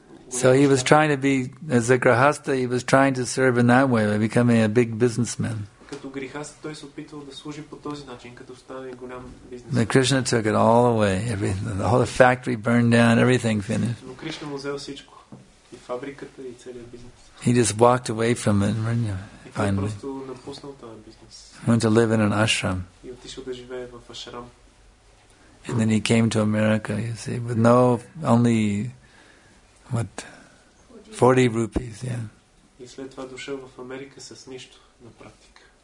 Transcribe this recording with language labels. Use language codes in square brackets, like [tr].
[en] So he was trying to be, as a grihastha, he was trying to serve in that way by becoming a big businessman. [bg] Като грихаст, той се опитвал да служи по този начин, като стане голям бизнес. [en] The Krishna took it all away. The factory burned down, everything finished. [bg] Но Кришна му взел всичко. И фабриката, и целият бизнес. [en] He just walked away from it, finally. [bg] И просто напуснал този бизнес. [en] Went to live in an ashram. [bg] И отишъл да живее в ашрам. [en] And then he came to America, you see, with no, only, what, 40 rupees, yeah. [bg] И след това дошъл в Америка с нищо, на практика.